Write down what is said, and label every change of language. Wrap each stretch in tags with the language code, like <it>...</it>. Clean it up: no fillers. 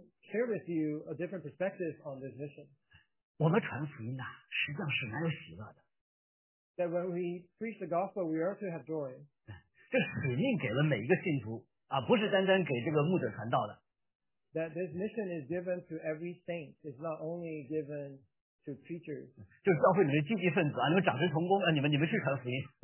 <en>Share with you a different perspective on this mission.</en> <zh>我们传福音啊，实际上是蛮有喜乐的。</zh> <en>That when we preach the gospel, we are to have joy.</en> <zh>这使命给了每一个信徒啊，不是单单给这个牧者传道的。</zh> <en>That this mission is given to every saint. It's not only given. To preachers,</en> <zh>就是教会里的积极分子啊，你们长职同工啊，你们去传福音。</zh>